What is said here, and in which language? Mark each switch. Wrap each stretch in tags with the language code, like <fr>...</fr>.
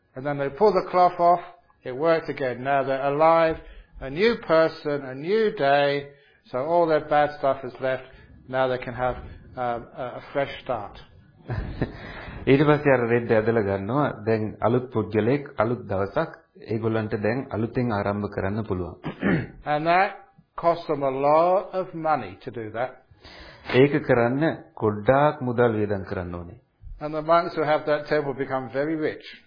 <en>And then they pull the cloth off, it works again. Now they're alive. A new person, a new day, so all their bad stuff is left, now they can have a fresh start.</en> <si>ඊටපස්සේ අර red ඇදලා ගන්නවා, දැන් අලුත් පුද්ගලෙක්, අලුත් දවසක්, ඒගොල්ලන්ට දැන් අලුතෙන් ආරම්භ කරන්න පුළුවන්.</si> <en>And that costs them a lot of money to do that.</en> <si>ඒක කරන්න ගොඩාක් මුදල් වියදම් කරන්න ඕනේ.</si> <en>And the monks who have that temple become very rich.</en>